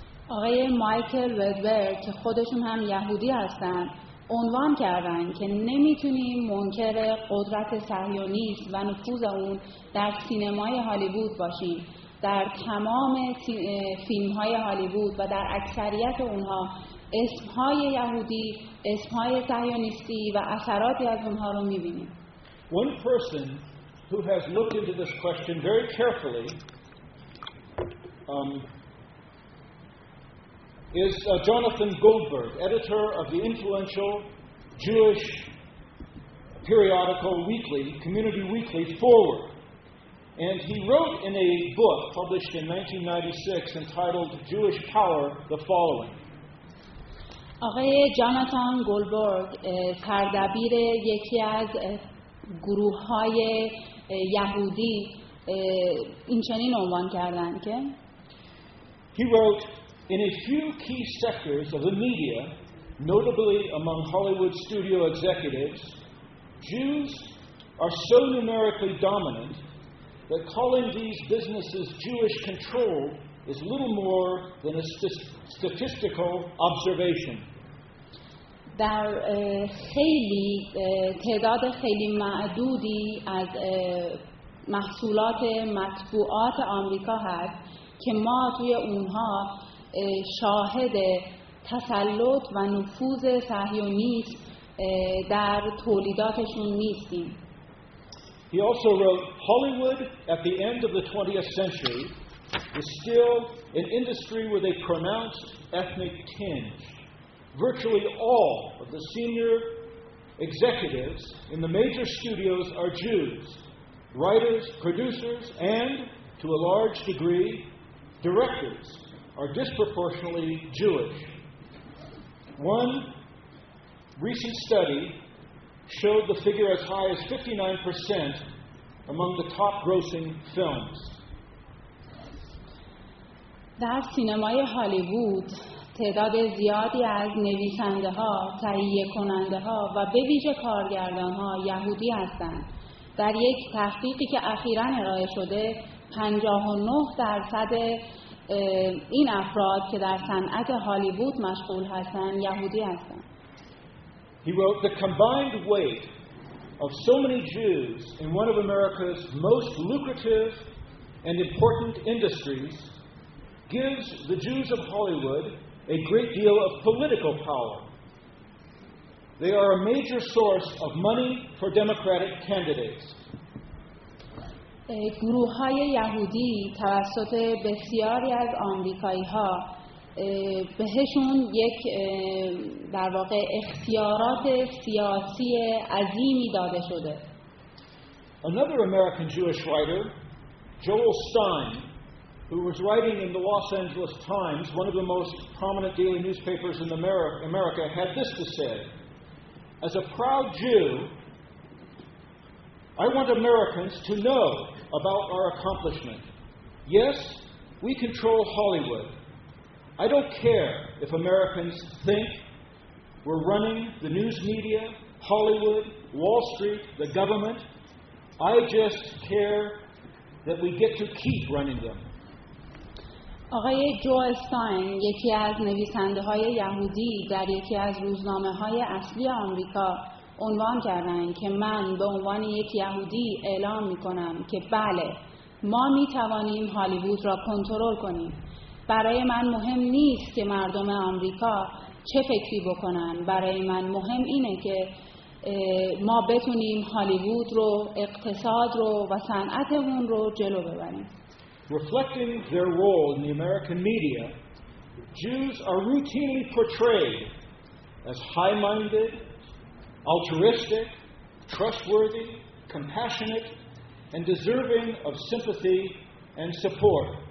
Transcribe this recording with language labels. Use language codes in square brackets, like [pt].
[fa] آقای مایکل ودور که خودشون هم یهودی هستن عنوان کردن که نمیتونیم منکر قدرت صهیونیسم و نفوذ اون در سینمای هالیوود باشیم. در تمام فیلم‌های هالیوود و در اکثریت اونها اسم‌های یهودی، اسم‌های صهیونیستی و اثراتی از اونها رو می‌بینیم. [en] One person who has looked into this question very carefully is Jonathan Goldberg, editor of the influential Jewish periodical weekly, community weekly, Forward. And he wrote in a book published in 1996 entitled Jewish Power the following. [fa] آقای جاناتان گولبرگ سردبیر یکی از گروه‌های یهودی اینچنین عنوان کردند که [en] He wrote in a few key sectors of the media, notably among Hollywood studio executives, Jews are so numerically dominant that calling these businesses Jewish control is little more than a statistical observation. [fa] در خیلی تعداد خیلی معدودی از محصولات مطبوعات آمریکا هست که ما توی اونها شاهد تسلط و نفوذ صهیونیست در تولیداتشون نیستیم. [en] He also wrote, Hollywood at the end of the 20th century is still an industry with a pronounced ethnic tinge. Virtually all of the senior executives in the major studios are Jews, writers, producers, and, to a large degree, directors are disproportionately Jewish. One recent study showed the figure as high as 59% among the top grossing films. [fa] در سینمای هالیوود تعداد زیادی از نویسنده ها، تهیه کننده ها و به ویژه کارگردان ها یهودی هستند. در یک تحقیقی که اخیراً ارائه شده 59% این افراد که در صنعت هالیوود مشغول هستند یهودی هستند. [en] He wrote, the combined weight of so many Jews in one of America's most lucrative and important industries gives the Jews of Hollywood a great deal of political power. They are a major source of money for Democratic candidates. [fa] گروه‌های یهودی توسط بسیاری از آمریکایی‌ها بهشون یک در واقع اختیارات سیاسی عظیمی داده شده. [en] Another American Jewish writer, Joel Stein, who was writing in the Los Angeles Times, one of the most prominent daily newspapers in America, had this to say: As a proud Jew, I want Americans to know about our accomplishment. Yes, we control Hollywood. I don't care if Americans think we're running the news media Hollywood, Wall Street, the government. I just care that we get to keep running them. [fa] آقای جو استاین، یکی از نویسنده‌های یهودی در یکی از روزنامه‌های اصلی آمریکا عنوان کردند که من به عنوان یک یهودی اعلام می‌کنم که بله، ما می‌توانیم هالیوود را کنترل کنیم. برای من مهم نیست که مردم آمریکا چه فکری بکنن، برای من مهم اینه که ما بتونیم هالیوود رو، اقتصاد رو و صنعتمون رو جلو ببریم. [en] Reflecting their role in the American media, Jews are routinely portrayed as high-minded, altruistic, trustworthy, compassionate, and deserving of sympathy and support.